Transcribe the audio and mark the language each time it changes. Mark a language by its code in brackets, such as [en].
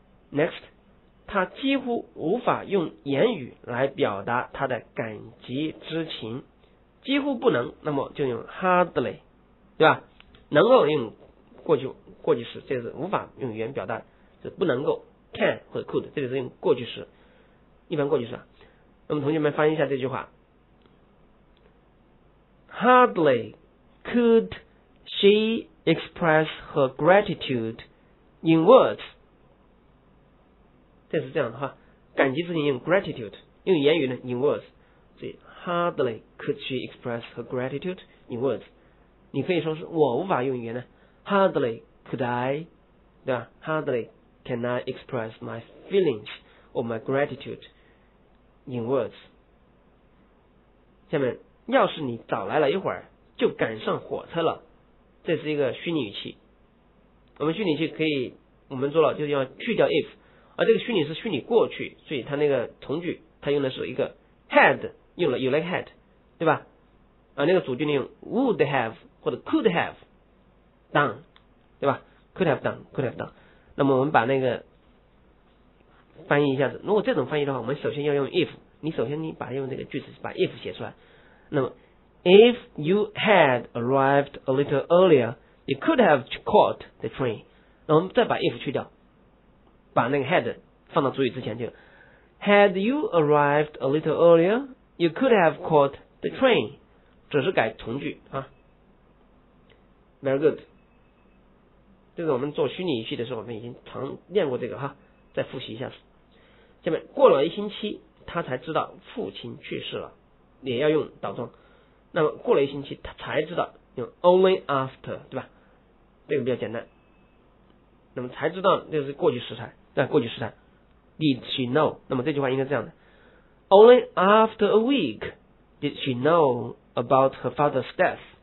[zh] Next， 他几乎无法用言语来表达他的感激之情，几乎不能，那么就用 hardly， 对吧？能够用过去时，这是无法用语言表达，是不能够 can 或者 could， 这里是用过去时，一般过去时。那么同学们翻译一下这句话。 [en] Hardly could she express her gratitude in words. [zh] 这是这样的哈，感激之情用 gratitude， 用言语呢 in words。所以 [en] hardly could she express her gratitude in words. [zh] 你可以说是我无法用语言呢 [en] ，hardly could I， [zh] 对吧 [en] ？Hardly can I express my feelings or my gratitude in words. [zh] 下面。要是你早来了一会儿就赶上火车了，这是一个虚拟语气。我们虚拟语气可以我们做了就要去掉 if， 而这个虚拟是虚拟过去，所以它那个从句它用的是一个 had， 用了 you like had， 对吧？而那个主句呢用 would have 或者 could have done， 对吧？could have done， could have done。那么我们把那个翻译一下子，如果这种翻译的话，我们首先要用 if， 你首先你把用这个句子把 if 写出来。那么 [en] if you had arrived a little earlier, you could have caught the train. [zh] 那我们再把 if 去掉，把那个 had 放到主语之前就 [en] Had you arrived a little earlier, you could have caught the train. [zh] 只是改从句啊。 [en] Very good. [zh] 这个我们做虚拟语序的时候我们已经常练过这个哈，再复习一下。下面过了一星期他才知道父亲去世了，也要用倒装。那么过了一星期他才知道，用 only after, 对吧，这个比较简单。那么才知道这是过去时态，对，过去时态。 [en] Did she know? [zh] 那么这句话应该这样的。 [en] Only after a week did she know about her father's death.